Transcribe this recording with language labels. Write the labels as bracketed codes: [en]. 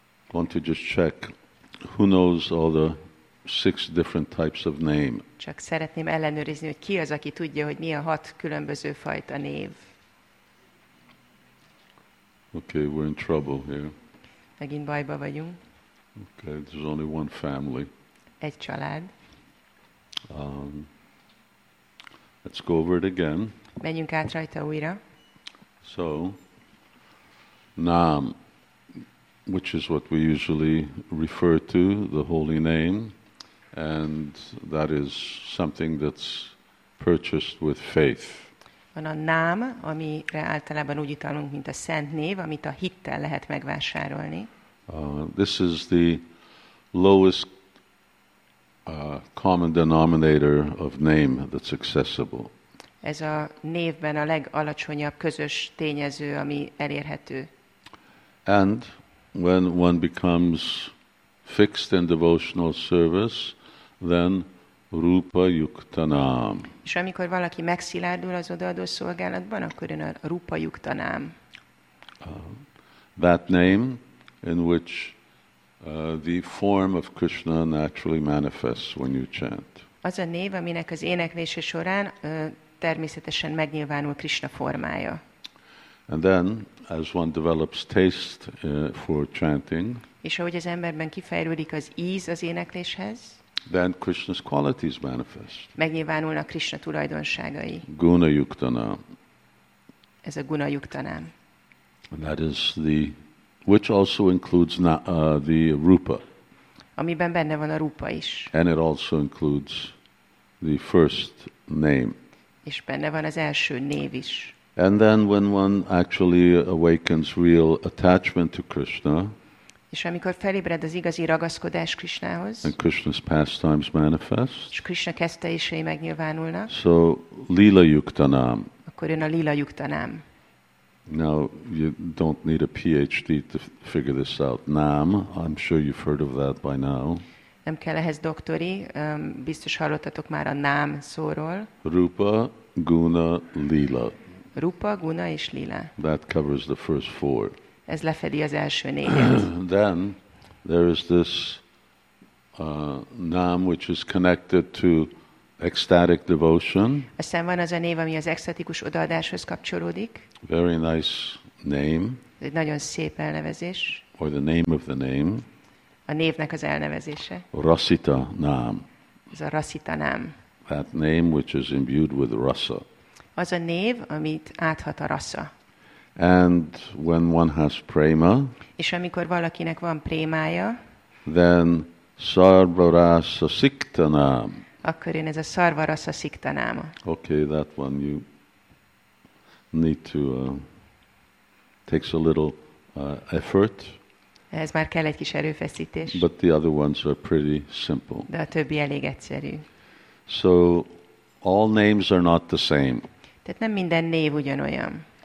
[en] want to just check who knows all the six different types of name. [hu] Csak szeretném ellenőrizni, hogy ki az, aki tudja, hogy mi a hat különböző fajta név. [en] Okay, we're in trouble here. [hu] Megint bajba vagyunk. [en] Okay, there's only one family. [hu] Egy család. [en] Let's go over it again. [hu] Menjünk át rajta újra. [en] So, Nam, which is what we usually refer to, the holy name, and that is something that's purchased with faith. [hu] Van a Nam, amire általában úgy utalunk, mint a szent név, amit a hittel lehet megvásárolni. [en] This is the lowest common denominator of name that's accessible. [hu] Ez a névben a legalacsonyabb közös tényező, ami elérhető. [en] And when one becomes fixed in devotional service, then rupa yukta nam. [hu] És amikor valaki megszilárdul az odaadó szolgálatban, akkor jön a rupa yukta nam. [en] That name in which the form of Krishna naturally manifests when you chant. [hu] Az a név, aminek az éneklése során természetesen megnyilvánul Krishna formája. [en] And then, as one develops taste for chanting, [hu] és ahogy az emberben kifejlődik az íz az énekléshez, [en] then Krishna's qualities manifest. [hu] Megnyilvánulnak Krishna tulajdonságai. [sa] Guna yuktana. [hu] Ez a guna yuktana. [en] And that is the, which also includes the rupa. [hu] Amiben benne van a rupa is. [en] And it also includes the first name. [hu] És benne van az első név is. [en] And then when one actually awakens real attachment to Krishna, [hu] és amikor felébred az igazi ragaszkodás Krishnához, [en] and Krishna's pastimes manifest, [hu] és Krishna kesztyéi megnyilvánulnak, [en] so lila yuktanam, [hu] a akkor jön a lila yuktanám. [en] Now you don't need a PhD to figure this out. Nam, I'm sure you've heard of that by now. [hu] Nem kell ehhez doktori, biztos hallottatok már a nám szóról. [sa] Rupa, guna, lila. [hu] Rupa, guna és lila. [en] That covers the first four. [hu] Ez lefedi az első négyet. [en] Then there is this nám, which is connected to ecstatic devotion. [hu] Aztán van az a név, ami az extatikus odaadáshoz kapcsolódik. [en] Very nice name. [hu] Egy nagyon szép elnevezés. [en] Or the name of the name. [hu] A névnek az elnevezése. [sa] Rasita nám. [hu] Ez a Rasita nám. [en] That name which is imbued with rasa. [hu] Az a név, amit áthat a rasa. [en] And when one has prema, [hu] és amikor valakinek van prémája, [en] then sarvarasa sikta nám. [hu] Akkor jön ez a sarvarasa sikta nám. [en] Okay, that one you need to takes a little effort. [hu] Ez már kell egy kis erőfeszítés. [en] But the other ones are pretty simple. [hu] De a többi elég egyszerű. [en] So all names are not the same. [hu] Tehát nem minden név ugyanolyan.